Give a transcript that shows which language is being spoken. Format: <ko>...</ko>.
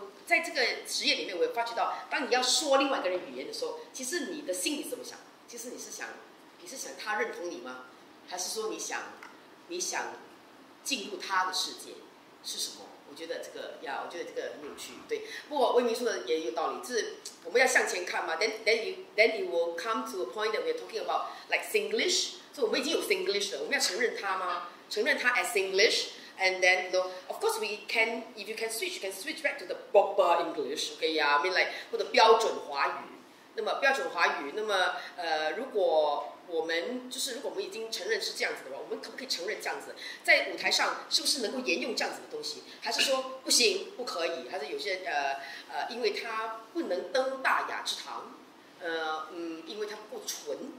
<zh>在这个职业里面，我也发觉到，当你要说另外一个人语言的时候，其实你的心里怎么想？其实你是想他认同你吗？还是说你想进入他的世界是什么？我觉得这个很有趣。对，不过魏明说的也有道理，就是我们要向前看嘛。</zh> <en>Then you will come to a point that we are talking about like Singlish。</en> <zh>所以我们已经有 Singlish 了，我们要承认它吗？承认它</zh> <en>as Singlish。 And then, you know, of course, we can. If you can switch, you can switch back to the proper English, okay? Yeah, I mean, like,</en> <zh>或者标准华语。那么标准华语，那么如果我们就是如果我们已经承认是这样子的话，我们可不可以承认这样子？在舞台上是不是能够沿用这样子的东西？还是说不行，不可以？还是有些因为它不能登大雅之堂，因为它不够纯。</zh>